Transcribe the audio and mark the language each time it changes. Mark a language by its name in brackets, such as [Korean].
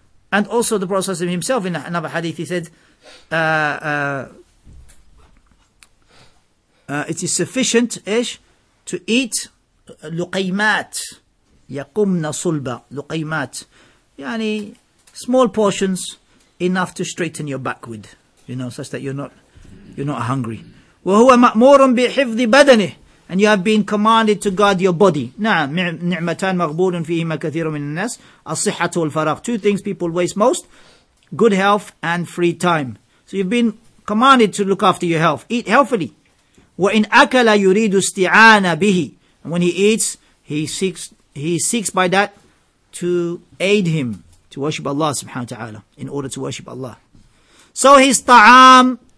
[English] And also the Prophet himself in another hadith, he said, it is sufficient ish to eat [Arabic] luqaymat, yaqumna sulba, luqaymat. [English] Yani, small portions enough to straighten your back with, you know, such that you're not hungry. [Arabic] وَهُوَ مَأْمُورٌ بِحِفْظِ بَدَنِهِ. [English] And you have been commanded to guard your body. [Arabic] نعم, نعمتان مغبورٌ فيهما كثيرٌ من الناس. As-sihhatu wal-faragh. [English] Two things people waste most. Good health and free time. So you've been commanded to look after your health. Eat healthily. [Arabic] وَإِنْ أَكَلَ يُرِيدُ اسْتِعَانَ بِهِ. [English] And when he eats, he seeks by that to aid him. To worship Allah subhanahu wa ta'ala. In order to worship Allah. So his ta'am,